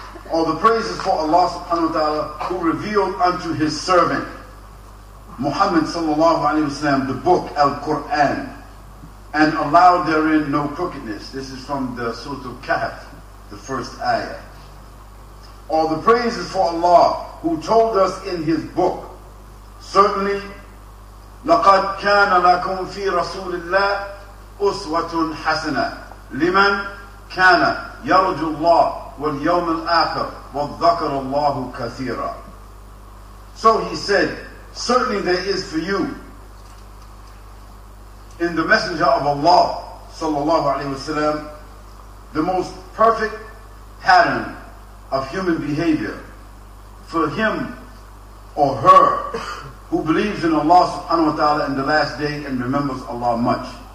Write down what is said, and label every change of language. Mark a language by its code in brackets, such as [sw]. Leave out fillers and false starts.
[en] All the praises for Allah subhanahu wa ta'ala, who revealed unto His servant Muhammad sallallahu alaihi wasallam the book Al-Quran, and allowed therein no crookedness. This is from the surah Al-Kahf, the first ayah. All the praises for Allah, who told us in His book, certainly, [ar] لَقَدْ كَانَ لَكُمْ فِي رَسُولِ اللَّهِ أُسْوَةٌ حَسَنَةٌ لِمَنْ كَانَ يَرْجُ اللَّهِ وَالْيَوْمِ الْآخِرِ وَالذَّكَرَ اللَّهُ كَثِيرًا. [en] So He said, certainly there is for you, in the Messenger of Allah sallallahu alaihi wasallam, the most perfect pattern of human behavior for him or her who believes in Allah subhanahu wa ta'ala in the last day and remembers Allah much.